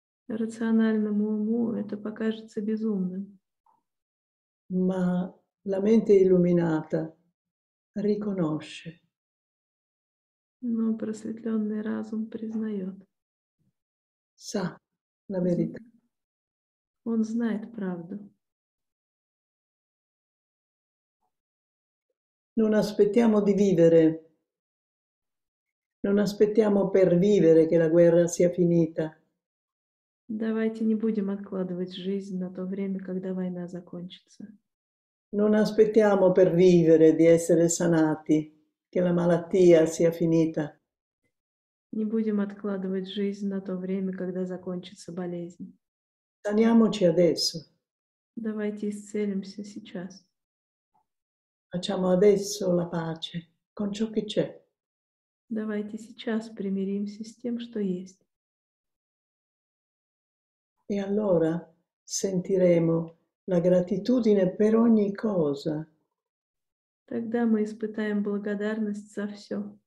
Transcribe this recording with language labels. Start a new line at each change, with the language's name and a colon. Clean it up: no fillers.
Russian: Рациональному уму это покажется безумным.
Italian: Ma la mente illuminata riconosce.
Russian: Но просветленный разум признает.
Italian: Sa la verità.
Russian: Он знает правду.
Italian: Non aspettiamo di vivere. Non aspettiamo per vivere che la guerra sia finita.
Russian: Давайте не будем откладывать жизнь на то время, когда война закончится.
Italian: Non aspettiamo per vivere di essere sanati, che la malattia sia finita.
Russian: Не будем откладывать жизнь на то время, когда закончится болезнь.
Italian: Saniamoci adesso.
Russian: Давайте исцелимся сейчас.
Italian: Facciamo adesso la pace con ciò che c'è.
Russian: Давайте сейчас примиримся с тем, что есть.
Italian: E allora sentiremo la gratitudine per ogni cosa.
Russian: Тогда мы испытаем благодарность за все.